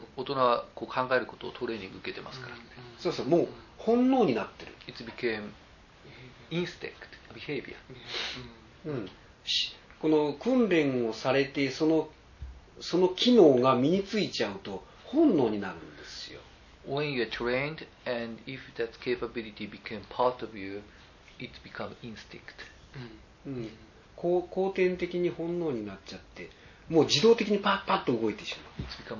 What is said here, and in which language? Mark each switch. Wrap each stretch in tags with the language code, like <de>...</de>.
<ja>大人はこう考えることをトレーニング受けてますからね。うんうん、そうそう、もう本能になってる。</ja> <en>It became instinct, behavior.</en> <ja>うん、この訓練をされてその機能が身についちゃうと本能になるんですよ。</ja> <en>When you're trained and if that capability became part of you, it become instinct. うん。</en> <ja>後天的に本能になっちゃって、もう自動的にパッパッと動いてしまう。</ja>